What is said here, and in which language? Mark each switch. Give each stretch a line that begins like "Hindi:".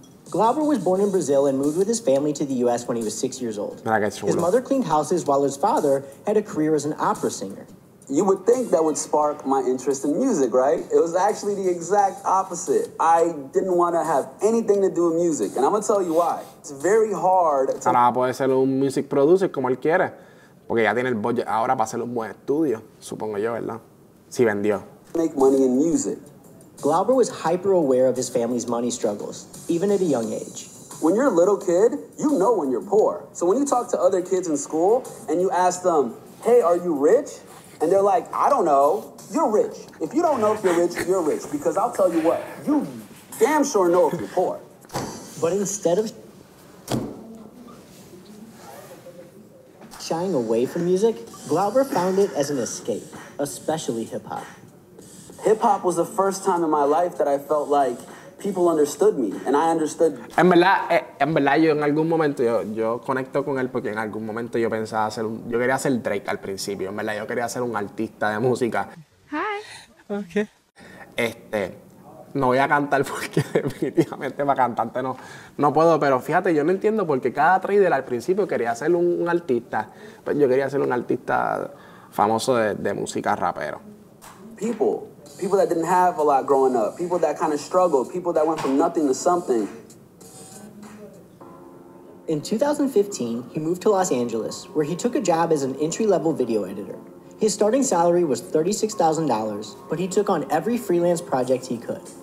English: Glauber was born in Brazil and moved with his family to the U.S. when he was 6 years old. His mother cleaned houses while his father had a career as an opera singer. You would think that would spark my interest in music, right? It was actually the exact opposite. I didn't want to have anything to do with music, and I'm going to tell you why. It's very hard to...
Spanish: Ahora puede ser un music producer como él quiere, porque ya tiene el budget ahora para hacer un buen estudio, supongo yo, ¿verdad? Si vendió.
English: Make money in music. Glauber was hyper aware of his family's money struggles, even at a young age. When you're a little kid, you know when you're poor. So when you talk to other kids in school and you ask them, hey, are you rich? And they're like, I don't know, you're rich. If you don't know if you're rich, you're rich. Because I'll tell you what, you damn sure know if you're poor. But instead of shying away from music, Glauber found it as an escape, especially hip hop. Hip hop was the first time in my life that I felt like people understood me, and I understood.
Spanish: En verdad, yo en algún momento yo conecto con él porque en algún momento yo pensaba hacer un, yo quería hacer Drake al principio. En verdad, yo quería ser un artista de música.
English: Hi. Okay.
Spanish: No voy a cantar porque definitivamente para cantante no puedo, pero fíjate, yo no entiendo por qué cada trader al principio quería ser un artista. Pues yo quería ser un artista famoso de música, rapero.
English: People that didn't have a lot growing up, people that kind of struggled, people that went from nothing to something. In 2015, he moved to Los Angeles, where he took a job as an entry-level video editor. His starting salary was $36,000, but he took on every freelance project he could.